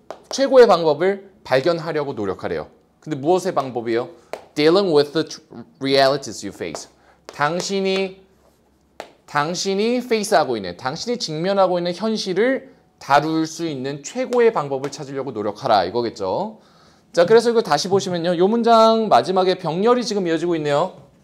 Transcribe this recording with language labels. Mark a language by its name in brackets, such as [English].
[Korean] 최고의 방법을 발견하려고 노력하래요. 근데 무엇의 방법이요? [English] Dealing with the realities you face. [Korean] 당신이 face하고 있는, 당신이 직면하고 있는 현실을 다룰 수 있는 최고의 방법을 찾으려고 노력하라 이거겠죠. 자, 그래서 이거 다시 보시면요. 요 문장 마지막에 병렬이 지금 이어지고 있네요.